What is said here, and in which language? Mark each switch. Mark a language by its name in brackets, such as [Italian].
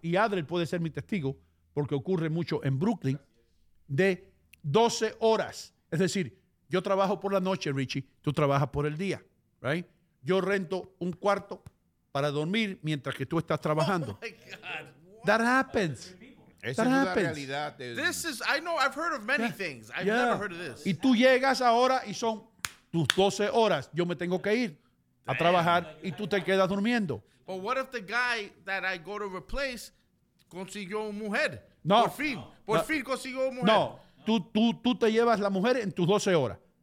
[Spanish] Y Adriel puede ser mi testigo, porque ocurre mucho en Brooklyn, de 12 horas. Es decir, yo trabajo por la noche, Richie, tú trabajas por el día, right? Yo rento un cuarto para dormir mientras que tú estás trabajando. [English] Oh my God. That happens. I've heard of many things. I've never heard of this. [Spanish] Y tú llegas ahora y son tus 12 horas. Yo me tengo que ir a trabajar y tú te quedas durmiendo. [English] But what if the guy that I go to replace [Spanish] consiguió una mujer? No. Por fin. Por fin consiguió una mujer. No. Tú te llevas la mujer en tus 12 horas.